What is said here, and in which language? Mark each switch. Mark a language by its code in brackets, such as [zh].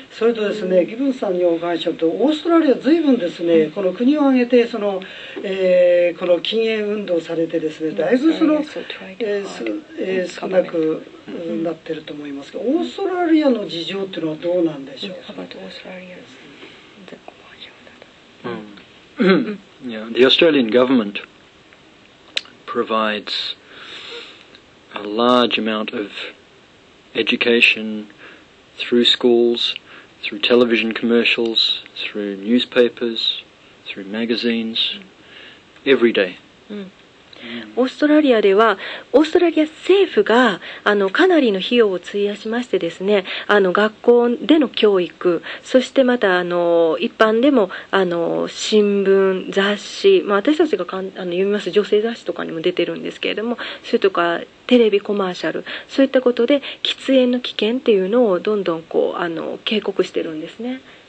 [ja] それとですね、ギブンさんにお伺いしようと、オーストラリアずいぶんですね、この国を挙げてその、この禁煙運動されてですね、だいぶその、少なくなってると思いますが、オーストラリアの事情っていうのはどうなんでしょう。 [en] How about Australia? The Australian governmentprovides a large amount of education through schools, through television commercials, through newspapers, through magazines, every day. [ja] オーストラリアではオーストラリア政府がかなりの費用を費やしましてですね、学校での教育、そしてまた一般でも新聞雑誌、まあ、私たちが読みます女性雑誌とかにも出てるんですけれども、それとかテレビコマーシャル、そういったことで喫煙の危険っていうのをどんどんこう警告してるんですね。